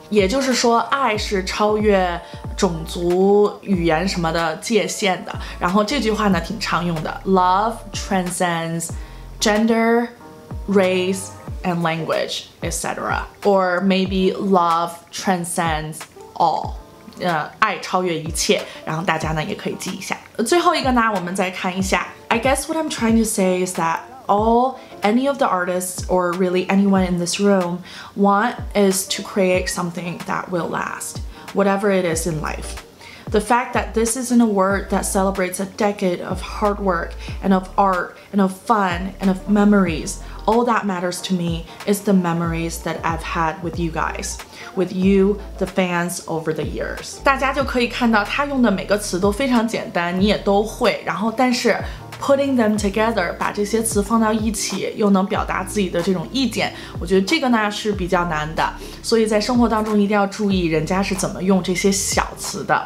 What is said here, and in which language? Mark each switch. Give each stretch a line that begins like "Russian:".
Chinese: 也就是说爱是超越种族语言什么的界限的，然后这句话呢挺常用的
English: Love transcends gender, race, and language, etc. Or maybe love transcends all.
Chinese: 爱超越一切，然后大家呢也可以记一下。最后一个呢我们再看一下
English: I guess what I'm trying to say is that all any of the artists or really anyone in this room want is to create something that will last. Whatever it is in life. The fact that this is an award that celebrates a decade of hard work and of art and of fun and of memories, all that matters to me is the memories that I've had with you guys, with you, the fans, over the years.
Chinese: 大家就可以看到他用的每个词都非常简单，你也都会，然后但是
English: Putting them together,
Chinese: 把这些词放到一起又能表达自己的这种意见，我觉得这个呢是比较难的，所以在生活当中一定要注意人家是怎么用这些小词的。